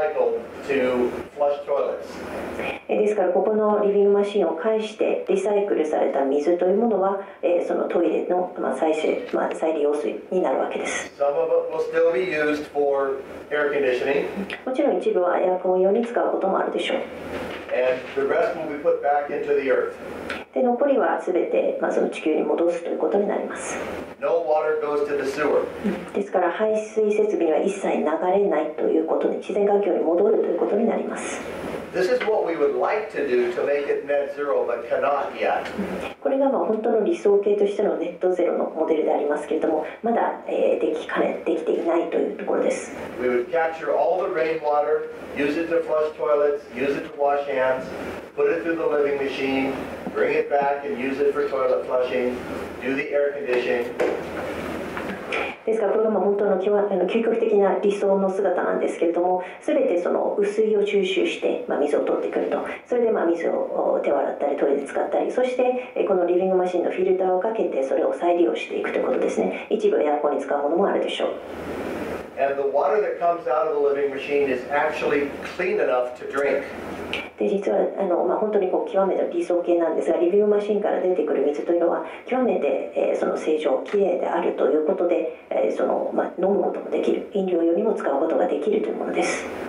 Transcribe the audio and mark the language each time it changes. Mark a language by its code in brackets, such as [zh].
[ja] ですからここのリビングマシンを介してリサイクルされた水というものはそのトイレの再生、再利用水になるわけです。もちろん一部はエアコン用に使うこともあるでしょう。 [en] And the rest will be put back into the earth. [ja] で残りは全てその地球に戻すということになります。 [en] No water goes to the sewer. [ja] ですから排水設備には一切流れないということで自然環境に戻るということになります。 [en] This is what we would like to do to make it net zero, but cannot yet. [ja] これが本当の理想形としてのネットゼロのモデルでありますけれども、まだできていないというところです。 [en] We would capture all the rainwater, use it to flush toilets, use it to wash hands, put it through the living machine, bring it back and use it for toilet flushing, do the air conditioning. [ja] ですからこれが本当の究極的な理想の姿なんですけれども、すべてその雨水を収集して水を取ってくると、それで水を手を洗ったりトイレで使ったり、そしてこのリビングマシンのフィルターをかけてそれを再利用していくということですね。一部エアコンに使うものもあるでしょう。 [en] And the water that comes out of the living machine is actually clean enough to drink. [ja] で実は本当にこう極めて理想形なんですが、リビングマシンから出てくる水というのは極めて、その清浄きれいであるということで、飲むこともできる、飲料用にも使うことができるというものです。